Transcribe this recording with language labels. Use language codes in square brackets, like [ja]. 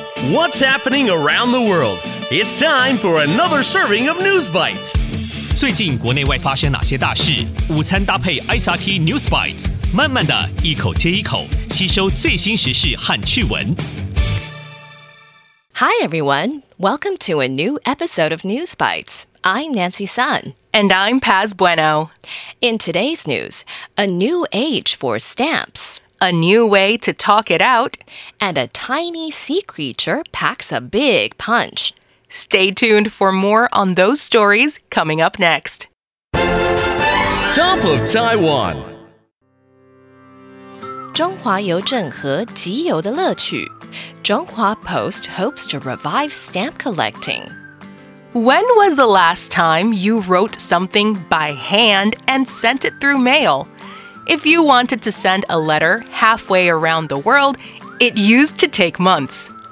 [en] What's happening around the world? It's time for another serving of News Bites. [zh] 最近国内外发生哪些大事？午餐搭配 SRT News Bites， 慢慢的一口接一口，吸收最新时事和趣闻。 [en] Hi everyone, welcome to a new episode of News Bites. I'm Nancy Sun. And I'm Paz Bueno. In today's news, a new age for stamps. A new way to talk it out. And a tiny sea creature packs a big punch. Stay tuned for more on those stories coming up next. Top of Taiwan. [zh] 中华邮政和集邮的乐趣。 [en] Zhonghua Post hopes to revive stamp collecting. When was the last time you wrote something by hand and sent it through mail? If you wanted to send a letter halfway around the world, it used to take months.